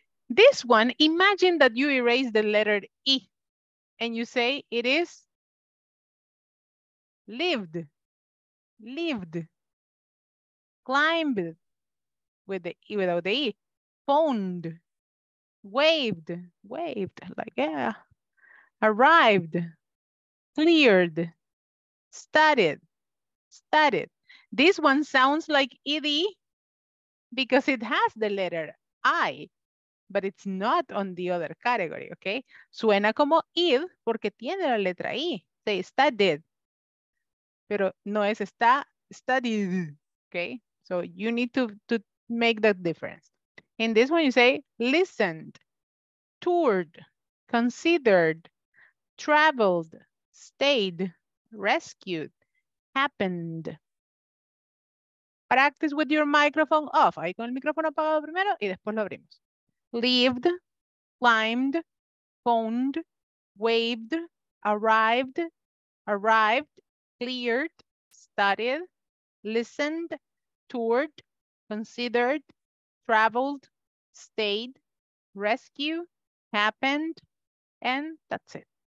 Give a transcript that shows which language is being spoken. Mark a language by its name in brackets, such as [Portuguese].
[English] This one, imagine that you erase the letter E and you say it is lived, lived, climbed with the E, without the E, phoned, waved, waved, like, yeah, arrived, cleared, studied, studied. This one sounds like ED because it has the letter I, but it's not on the other category, okay? [Spanish] Suena como ID porque tiene la letra I. [English] Say studied, [Spanish] pero no es está, [English] studied, okay? So you need to make that difference. In this one you say listened, toured, considered, traveled, stayed, rescued, happened. Practice with your microphone off. [Spanish] Ahí con el micrófono apagado primero y después lo abrimos. [English] Lived, climbed, phoned, waved, arrived, arrived, cleared, studied, listened, toured, considered, traveled, stayed, rescued, happened, and that's it.